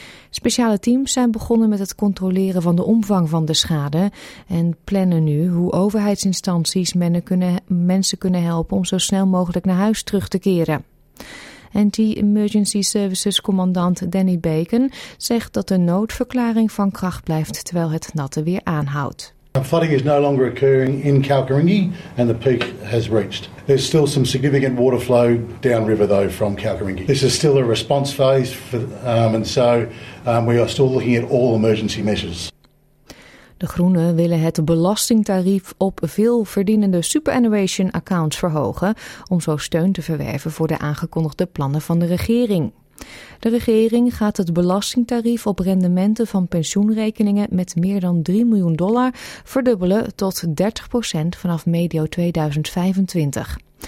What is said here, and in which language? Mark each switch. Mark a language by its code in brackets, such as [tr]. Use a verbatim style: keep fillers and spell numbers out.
[nl] Speciale teams zijn begonnen met het controleren van de omvang van de schade en plannen nu hoe overheidsinstanties mensen kunnen helpen om zo snel mogelijk naar huis terug te keren. Anti-Emergency Services commandant Danny Bacon zegt dat de noodverklaring van kracht blijft terwijl het natte weer aanhoudt. [en] Flooding is no longer occurring in Kalkarringi and the peak has reached. There's still some significant water flow downriver though from Kalkarringi. This is still a response phase for, um, and so um, we are still looking at all emergency measures. [nl] De Groenen willen het belastingtarief op veel verdienende superannuation accounts verhogen om zo steun te verwerven voor de aangekondigde plannen van de regering. De regering gaat het belastingtarief op rendementen van pensioenrekeningen met meer dan drie miljoen dollar verdubbelen tot dertig procent vanaf medio tweeduizend vijfentwintig.